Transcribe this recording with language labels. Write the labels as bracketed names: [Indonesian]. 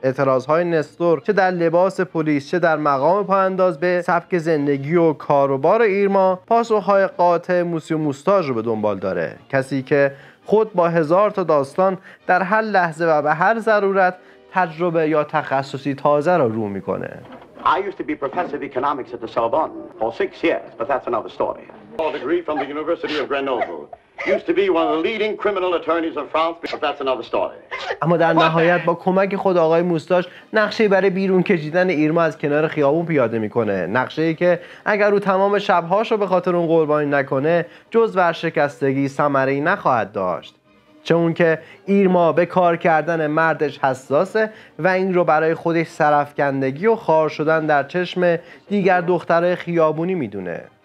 [Persian] اعتراضهای نستور چه در لباس پلیس چه در مقام پاانداز به سبک زندگی و کاروبار ایرما پاسخهای قاطع موسی و موستاژ رو به دنبال داره. کسی که خود با هزار تا داستان در هر لحظه و به هر ضرورت تجربه یا تخصصی تازه را رو میکنه. [English] I used to be professor of economics at the Sorbonne for 6 years, but that's another story. A degree from the University of Grenoble. Used to be one of the leading criminal attorneys of France, but that's another story. [Persian] اما در نهایت با کمک خود آقای موستاژ نقشه برای بیرون کشیدن ایرما از کنار خیابون پیاده میکنه. نقشه‌ای که اگر او تمام شب‌هاش رو به خاطر اون قربانی نکنه، جز ورشکستگی ثمره‌ای نخواهد داشت. چون که ایرما به کار کردن مردش حساسه و این رو برای خودش سرفکندگی و خار شدن در چشم دیگر دخترهای خیابونی میدونه.